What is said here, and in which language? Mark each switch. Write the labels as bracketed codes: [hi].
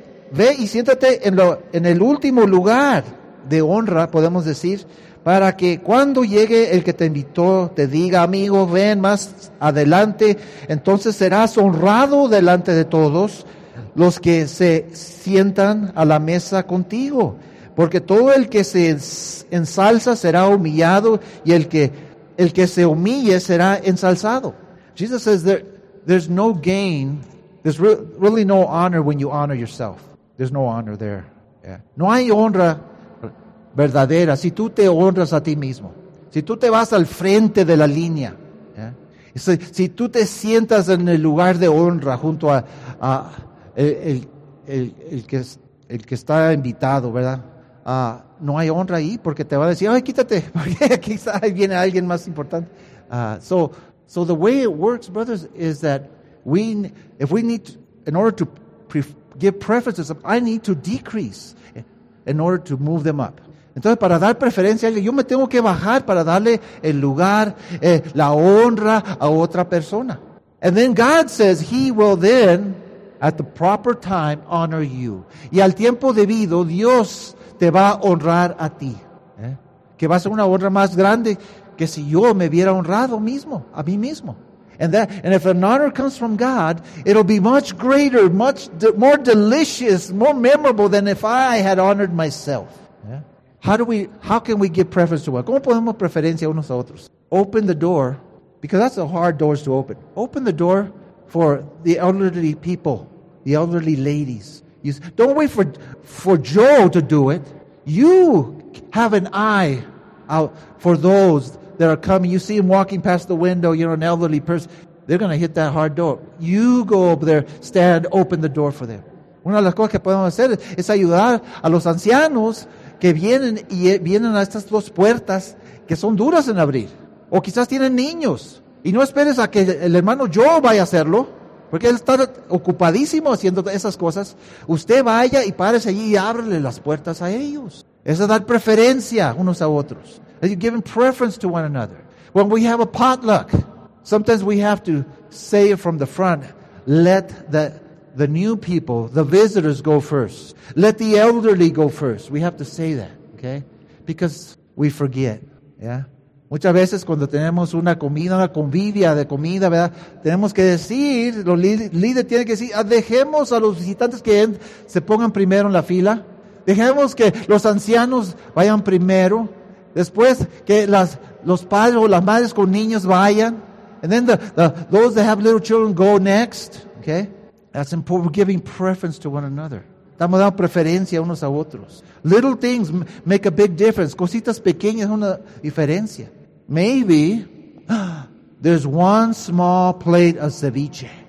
[es] Ve y siéntate en el último lugar de honra, podemos decir, para que cuando llegue el que te invitó, te diga, amigo, ven más adelante, entonces serás honrado delante de todos los que se sientan a la mesa contigo. Porque todo el que se ensalza será humillado, y el que se humille será ensalzado. [en] Jesus says there's no gain, there's really no honor when you honor yourself. There's no honor there. Yeah. [es] No hay honra verdadera si tú te honras a ti mismo. Si tú te vas al frente de la línea. Yeah. Si tú te sientas en el lugar de honra junto a el que está invitado, ¿verdad? No hay honra ahí porque te va a decir, ay, quítate, porque quizá viene alguien más importante. [en] So the way it works, brothers, is that give preference to someone, I need to decrease in order to move them up. [es] Entonces, para dar preferencia a alguien, yo me tengo que bajar para darle el lugar, la honra a otra persona. [en] And then God says, he will then, at the proper time, honor you. [es] Y al tiempo debido, Dios te va a honrar a ti. ¿Eh? Que va a ser una honra más grande que si yo me hubiera honrado mismo, a mí mismo. [en] And if an honor comes from God, it'll be much greater, much more delicious, more memorable than if I had honored myself. Yeah. How can we give preference to one? [es] ¿Cómo podemos preferencia unos a otros? [en] Open the door, because that's a hard door to open. Open the door for the elderly people, the elderly ladies. Don't wait for Joe to do it. You have an eye out for those that are coming. You see them walking past the window. You're an elderly person. They're going to hit that hard door. You go up there, stand, open the door for them. [es] Una de las cosas que podemos hacer es ayudar a los ancianos que vienen y vienen a estas dos puertas que son duras en abrir. O quizás tienen niños. Y no esperes a que el hermano Joe vaya a hacerlo. Porque él está ocupadísimo haciendo esas cosas. Usted vaya y párese allí y ábrele las puertas a ellos. Eso es dar preferencia unos a otros. [en] Are you giving preference to one another? When we have a potluck, sometimes we have to say it from the front, let the new people, the visitors go first. Let the elderly go first. We have to say that, okay? Because we forget, yeah? [es] Muchas veces cuando tenemos una comida, una convivia de comida, ¿verdad? Tenemos que decir, los líderes tienen que decir, dejemos a los visitantes que se pongan primero en la fila. Dejemos que los ancianos vayan primero. Después que los padres o las madres con niños vayan. [en] And then those that have little children go next. Okay? That's important. We're giving preference to one another. [es] Estamos dando preferencia unos a otros. [en] Little things make a big difference. [es] Cositas pequeñas una diferencia. [en] Maybe there's one small plate of ceviche.